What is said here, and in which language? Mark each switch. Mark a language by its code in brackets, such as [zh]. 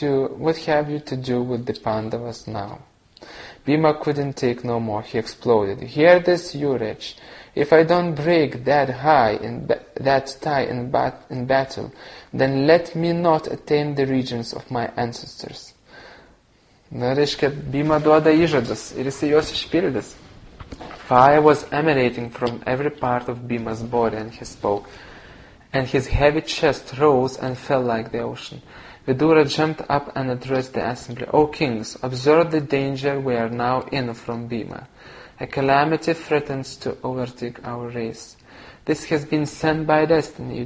[en] What have you to do with the Pandavas now? Bhima couldn't take no more. He exploded. Hear this, you wretch. If I don't break that tie in battle, then let me not attain the regions of my ancestors. [lt] Na, reiškia, Bhima duoda įžadus ir jis juos išpildys. [en] Fire was emanating from every part of Bhima's body and he spoke, and his heavy chest rose and fell like the ocean. Vidura jumped up and addressed the assembly. O kings, observe the danger we are now in from Bhima. A calamity threatens to overtake our race. This has been sent by destiny.